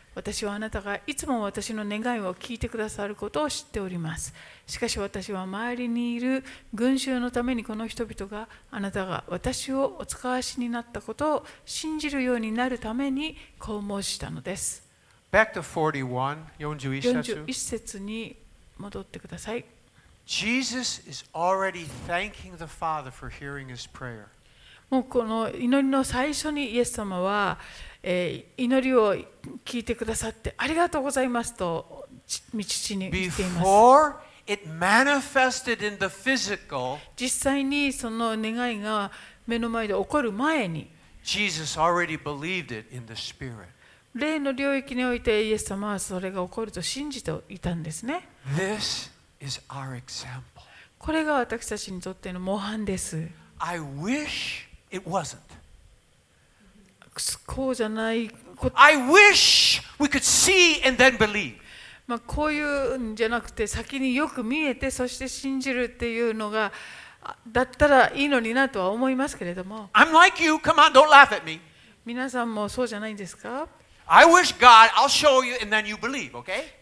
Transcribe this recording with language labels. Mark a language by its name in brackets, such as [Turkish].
[Japanese] 私はあなたがいつも私の願いを聞いてくださることを知っております。しかし私は周りにいる群衆のためにこの人々があなたが私をお使わしになったことを信じるようになるためにこう申したのです。 [English] Back to 41, [Japanese] 41節に戻ってください。 [English] Jesus is already thanking the Father for hearing his prayer. [Japanese] もうこの祈りの最初にイエス様は祈りを聞いてくださってありがとうございますと父に言っています。 [English] Before it manifested in the physical, [Japanese] 実際にその願いが目の前で起こる前に、 [English] Jesus already believed it in the spirit. [Japanese] 霊の領域においてイエス様はそれが起こると信じていたんですね。 [English] This is our example. [Japanese] これが私たちにとっての模範です。 [English] I wish it wasn't. [Japanese] こうじゃないこと。 [English] I wish we could see and then believe. [Japanese] まあこういうんじゃなくて先によく見えてそして信じるっていうのがだったらいいのになとは思いますけれども。 [English] I'm like you. Come on, don't laugh at me. [Japanese] 皆さんもそうじゃないんですか [English] ？I wish God. I'll show you and then you believe. Okay?